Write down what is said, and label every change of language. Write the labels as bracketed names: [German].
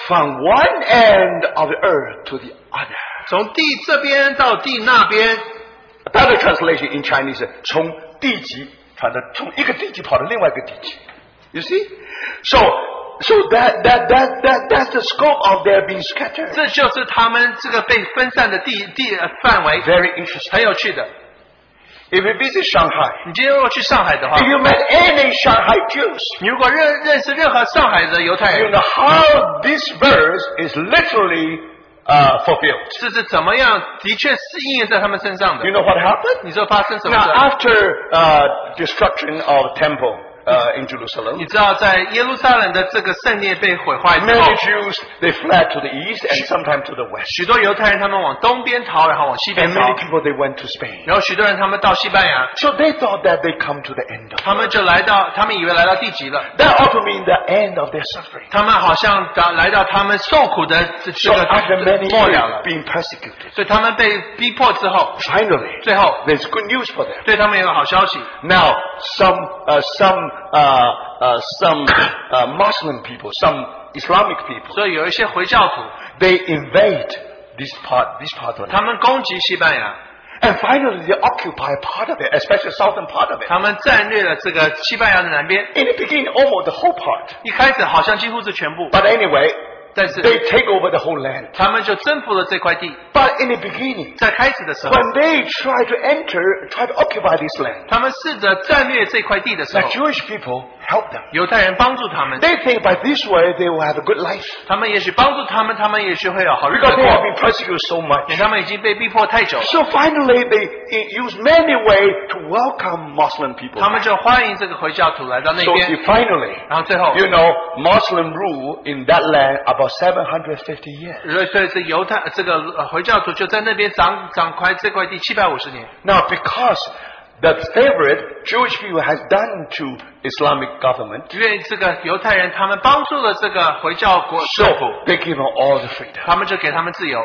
[English] from one end of the earth to the other. [Chinese] 从地这边到地那边, [English] another translation in Chinese is [Chinese] 从地极传到, 从一个地极跑到另外一个地极. [English] You see? So, So that's the scope of their being scattered. [Chinese] 这就是他们这个被分散的范围。 [English] Very interesting. [Chinese] 很有趣的。 [English] If you visit Shanghai, [Chinese] 你今天要去上海的话, [English] if you met any Shanghai Jews, [Chinese] 如果认识任何上海的犹太人, [English] you know how this verse is literally fulfilled. [Chinese] 这是怎么样, 的确是应验在他们身上的。 [English] You know what happened? [Chinese] 你知道发生什么事? [English] Now, after destruction of temple, in Jerusalem. [Chinese] 你知道在耶路撒冷的这个圣殿被毁坏之后, [English] many Jews they fled to the east and sometimes to the west. [Chinese] 许多犹太人他们往东边逃, [English] and many people they went to Spain. [Chinese] 然后许多人他们到西班牙, [English] so they thought that they come to the end of it. [Chinese] 他们就来到, 他们以为来到地极了, [English] that ought to mean the end of their suffering. [Chinese] 他们好像来到他们受苦的这个, [English] so after many years being persecuted, [Chinese] 所以他们被逼迫之后, [English] finally, [Chinese] 最后, [English] there's good news for them. [Chinese] 对他们有个好消息。 [English] Now, some Muslim people, some Islamic people, [Chinese] 所以有一些回教徒, [English] they invade this part of it. [Chinese] 他们攻击西班牙, [English] and finally they occupy part of it, especially the southern part of it. [Chinese] 他们占略了这个西班牙的南边, [English] in the beginning almost the whole part. [Chinese] 一开始好像几乎是全部, [English] but anyway, [Chinese] 但是, [English] they take over the whole land. [Chinese] 他们就征服了这块地, [English] but in the beginning, [Chinese] 在开始的时候, [English] when they try to enter, try to occupy this land, [Chinese] 他们试着占略这块地的时候, [English] the Jewish people help them. [Chinese] 犹太人帮助他们, [English] they think by this way they will have a good life. [Chinese] 他们也许帮助他们, 他们也许会有好日子过, [English] because they have been persecuted so much. [Chinese] 他们已经被逼迫太久, [English] so finally they use many ways to welcome Muslim people. [Chinese] 他们就欢迎这个回教徒来到那边, [English] so finally, [Chinese] 然后最后, [English] you know, Muslim rule in that land about 750 years. Now, because the favorite Jewish people has done to Islamic government, so they give them all the freedom.